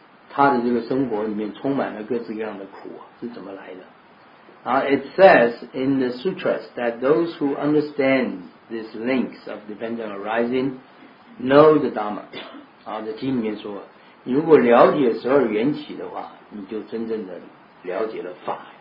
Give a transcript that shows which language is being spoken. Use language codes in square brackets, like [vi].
[zh] 他的这个生活里面充满了各式各样的苦、啊、是怎么来的？ [en] 啊 ，It says in the sutras that those who understand these links of dependent arising know the Dharma。 [zh] 啊，在经里面说，你如果了解十二缘起的话，你就真正的了解了法。